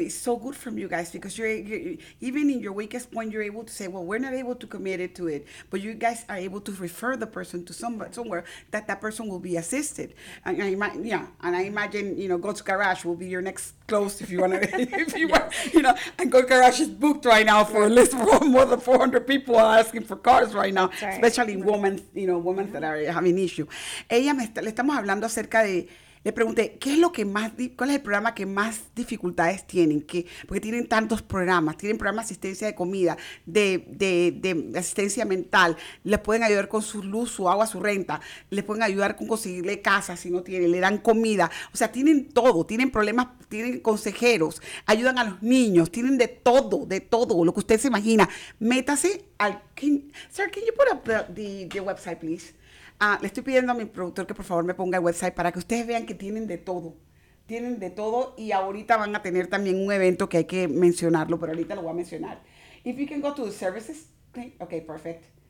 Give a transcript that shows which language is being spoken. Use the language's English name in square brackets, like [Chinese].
[English] It's so good from you guys, because you're even in your weakest point, you're able to say, well, we're not able to commit it to it, but you guys are able to refer the person to somewhere that person will be assisted. And I imagine, you know, God's Garage will be your next close if you want. You know, and Go Garage is booked right now for at least more than 400 people asking for cars right now, right. Especially women, you know, women that are having issues. [Spanish] Ella le estamos hablando acerca de, le pregunté, ¿qué es lo que más, cuál es el programa que más dificultades tienen? Porque tienen tantos programas, tienen programas de asistencia de comida, de asistencia mental, les pueden ayudar con su luz, su agua, su renta, les pueden ayudar con conseguirle casa si no tienen, le dan comida, o sea, tienen todo, tienen problemas, tienen consejeros, ayudan a los niños, tienen de todo, lo que usted se imagina. [English] Métase al, sir, can you put up the website, please? [Spanish] Le estoy pidiendo a mi productor que por favor me ponga el website para que ustedes vean que tienen de todo. Tienen de todo, y ahorita van a tener también un evento que hay que mencionarlo, pero ahorita lo voy a mencionar. [English] If you can go to the services, ok, perfect.